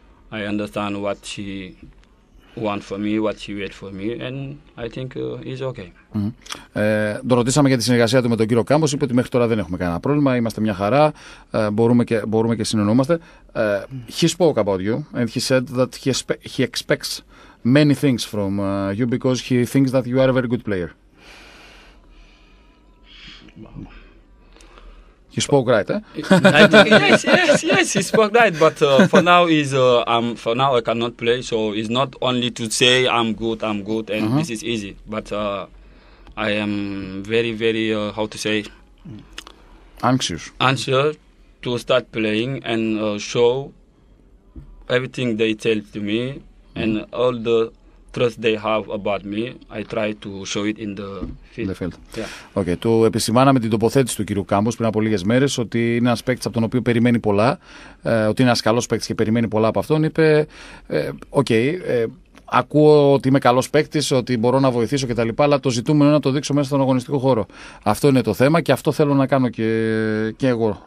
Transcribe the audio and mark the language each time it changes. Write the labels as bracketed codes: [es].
[en] I understand what he want for me, what he wait for me, and I think it's okay. Mm-hmm. [el] Το ρωτήσαμε για τη συνεργασία του με τον κύριο Κάμπος. Είπε ότι μέχρι τώρα δεν έχουμε κανένα πρόβλημα. Είμαστε μια χαρά. Μπορούμε και συνεννοούμαστε. [en] He spoke about you and he said that he expects many things from you because he thinks that you are a very good player. He spoke right, eh? I think, yes, he spoke right. But for now, for now I cannot play. So it's not only to say I'm good, and uh-huh. this is easy. But I am very, very, how to say? Anxious. Anxious to start playing and show everything they tell to me and mm-hmm. all the trust they have about me. I try to show it in the field. Yeah. Okay. [el] Του επισημάναμε την τοποθέτηση του κύριου Κάμπος πριν από λίγες μέρες ότι είναι ένας παίκτης από τον οποίο περιμένει πολλά, ότι είναι ένας καλός παίκτης και περιμένει πολλά από αυτόν. Είπε, okay, ακούω ότι είμαι καλός παίκτης, ότι μπορώ να βοηθήσω κτλ. Αλλά το ζητούμενο είναι να το δείξω μέσα στον αγωνιστικό χώρο. Αυτό είναι το θέμα και αυτό θέλω να κάνω και εγώ.